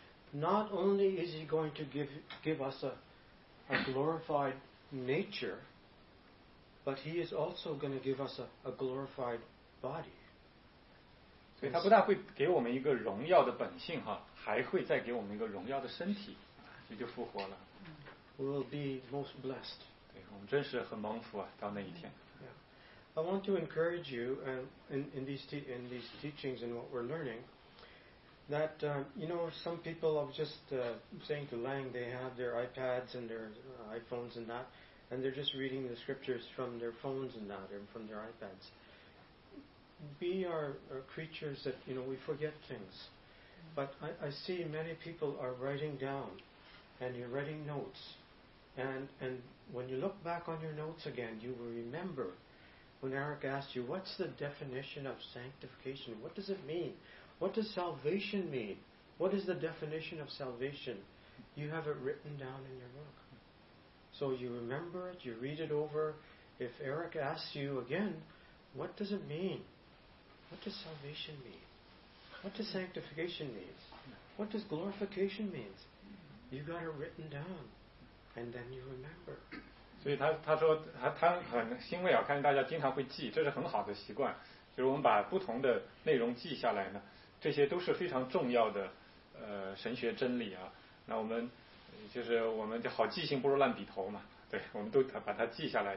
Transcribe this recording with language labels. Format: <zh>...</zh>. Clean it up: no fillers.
<en>Not only is he going to give us a glorified nature, but he is also going to give us a glorified body.</en> <zh>所以他不但会给我们一个荣耀的本性哈。还会再给我们一个荣耀的身体，也就复活了。</zh> <en>We will be most blessed.</en> <zh>对，我们真是很蒙福啊，到那一天。</zh> <en>Yeah. I want to encourage you in these teachings and what we're learning that you know some people are just saying to Lang they have their iPads and their iPhones and that and they're just reading the scriptures from their phones and that and from their iPads. We are creatures that you know we forget things. But I see many people are writing down, and you're writing notes, and when you look back on your notes again, you will remember when Eric asked you, what's the definition of sanctification? What does it mean? What does salvation mean? What is the definition of salvation? You have it written down in your book. So you remember it, you read it over. If Eric asks you again, what does it mean? What does salvation mean? What does sanctification mean? What does glorification mean? You got it written down, and then you remember.</en> <zh>所以他说他很欣慰啊，看大家经常会记，这是很好的习惯。就是我们把不同的内容记下来呢，这些都是非常重要的神学真理啊。那我们就是我们就好记性不如烂笔头嘛，对，我们都把它记下来。</zh>